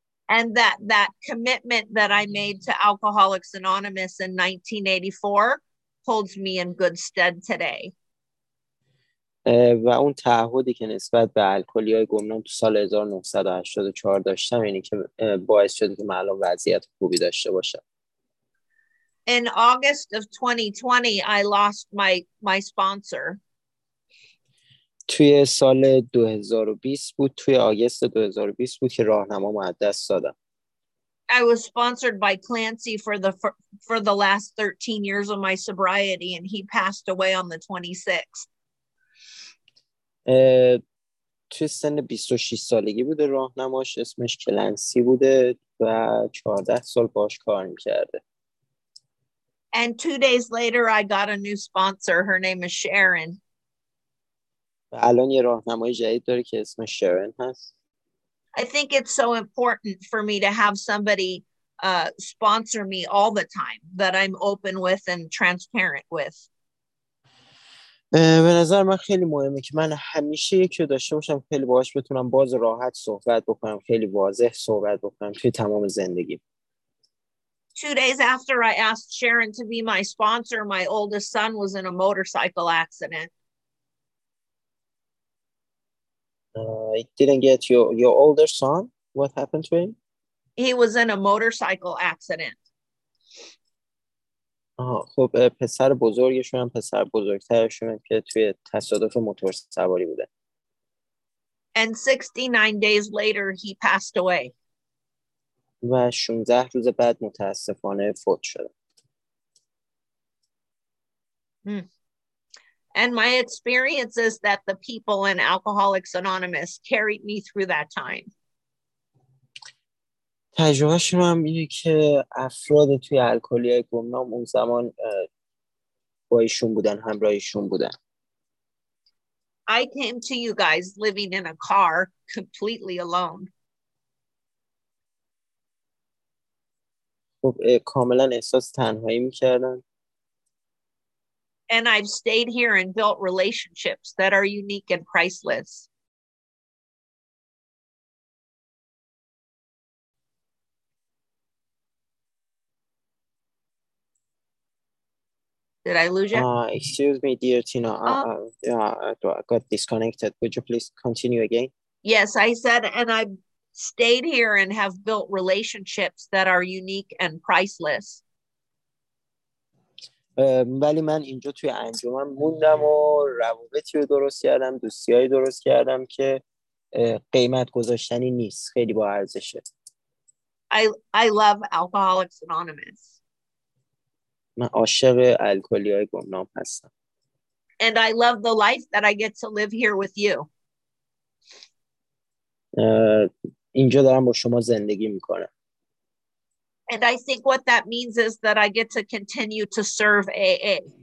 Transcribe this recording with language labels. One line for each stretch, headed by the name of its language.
English: And that commitment that I made to Alcoholics Anonymous in 1984 holds me in good stead today.
Persian: و اون تعهدی که نسبت به الکلی‌های گمنام تو سال 1984 داشتم اینی که باعث شد که معلوم وضعیت خوبی داشته باشم.
English: In August of 2020, I lost my sponsor.
Persian: توی سال 2020 بود، توی آگست 2020 بود که راهنمامو از دست دادم.
English: I was sponsored by Clancy for the last 13 years of my sobriety and he passed away on the 26th.
Persian: توی سن 26 سالگی بوده راهنماش، اسمش کلنسی بوده و 14 سال باش کار میکرده.
English: And 2 days later I got a new sponsor, her name is Sharon.
Persian: الان یه راهنمای جدید داره که اسمش شرن هست.
English: I think it's so important for me to have somebody sponsor me all the time that I'm open with and transparent with.
Persian: به نظر من خیلی مهمه که من همیشه یکی رو داشته باشم خیلی باهاش بتونم باز راحت صحبت بکنم، خیلی واضح صحبت بکنم توی تمام زندگی.
English: 2 days after I asked Sharon to be my sponsor, my oldest son was in a motorcycle accident. I didn't get your older son. What happened to him? He was in a motorcycle accident.
Persian: خب پسر بزرگشون هم پسر بزرگترشون هم که توی تصادف موتور سواری بوده.
English: And 69 days later he passed away.
Persian: و 16 روز بعد متاسفانه فوت شد.
English: And my experience is that the people in Alcoholics Anonymous carried me through that time.
Persian: تجربه شما هم اینه که افراد توی الکلی‌های گمنام اون زمان با ایشون بودن، همراهیشون بودن.
English: I came to you guys living in a car completely alone.
Persian: خب کاملا احساس تنهایی می‌کردن.
English: And I've stayed here and built relationships that are unique and priceless. Did I lose you? Excuse me, dear Tina. I got disconnected. Would you please continue again? Yes, I said, and I've stayed here and have built relationships that are unique and priceless.
Persian: ولی من اینجا توی انجمن موندم و روابطی رو درست کردم، دوستیایی درست کردم که قیمت گذاشتنی نیست، خیلی با ارزشه.
English: I love Alcoholics Anonymous.
Persian: من عاشق الکلی‌های گمنام هستم.
English: And I love the life that I get to live here with you.
Persian: اینجا دارم با شما زندگی میکنم.
English: And I think what that means is that I get to continue to serve AA.